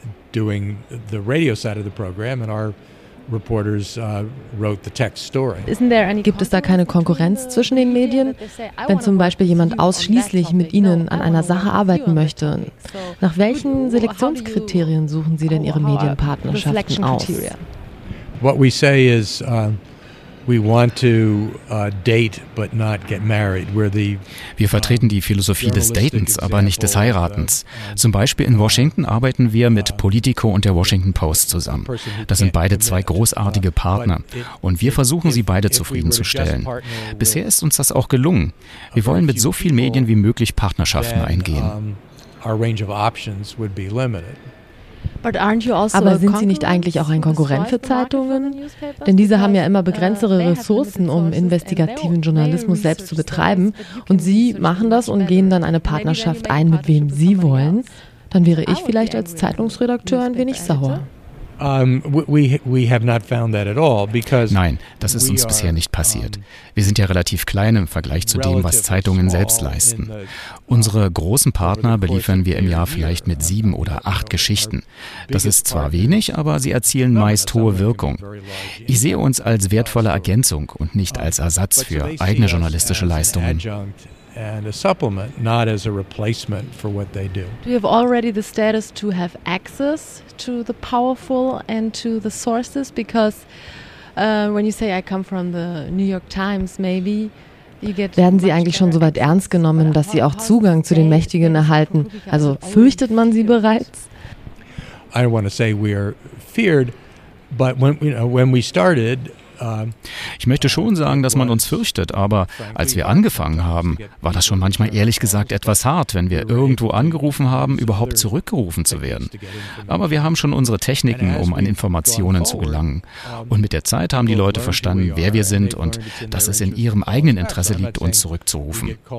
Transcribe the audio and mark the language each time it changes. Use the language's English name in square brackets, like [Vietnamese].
[English] Doing the radio side of the program, and our reporters wrote the text story. [German] Gibt es da keine Konkurrenz zwischen den Medien? Wenn zum Beispiel jemand ausschließlich mit Ihnen an einer Sache arbeiten möchte, nach welchen Selektionskriterien suchen Sie denn Ihre Medienpartnerschaften aus? [English] What we say is, we want to date but not get married. [German] Wir vertreten die Philosophie des Datens, aber nicht des Heiratens. Zum Beispiel in Washington arbeiten wir mit Politico und der Washington Post zusammen. Das sind beide zwei großartige Partner. Und wir versuchen, sie beide zufriedenzustellen. Bisher ist uns das auch gelungen. Wir wollen mit so vielen Medien wie möglich Partnerschaften eingehen. [English] Our range of options would be limited. But aren't you also [German] Aber sind Sie nicht eigentlich auch ein Konkurrent für Zeitungen? Denn diese haben ja immer begrenztere Ressourcen, um investigativen Journalismus selbst zu betreiben. Und Sie machen das und gehen dann eine Partnerschaft ein, mit wem Sie wollen. Dann wäre ich vielleicht als Zeitungsredakteur ein wenig sauer. [English] We have not found that at all, because [German] Nein, das ist uns bisher nicht passiert. Wir sind ja relativ klein im Vergleich zu dem, was Zeitungen selbst leisten. Unsere großen Partner beliefern wir im Jahr vielleicht mit 7 oder 8 Geschichten. Das ist zwar wenig, aber sie erzielen meist hohe Wirkung. Ich sehe uns als wertvolle Ergänzung und nicht als Ersatz für eigene journalistische Leistungen. [English] And a supplement, not as a replacement for what they do. Do you have already the status to have access to the powerful and to the sources? Because when you say I come from the New York Times, maybe you get. [German] Werden Sie eigentlich schon so weit ernst genommen, dass Sie auch Zugang zu den Mächtigen erhalten? Also fürchtet man Sie bereits? [English] I don't want to say we are feared, but when we started. [German] Ich möchte schon sagen, dass man uns fürchtet, aber als wir angefangen haben, war das schon manchmal ehrlich gesagt etwas hart, wenn wir irgendwo angerufen haben, überhaupt zurückgerufen zu werden. Aber wir haben schon unsere Techniken, um an Informationen zu gelangen. Und mit der Zeit haben die Leute verstanden, wer wir sind und dass es in ihrem eigenen Interesse liegt, uns zurückzurufen.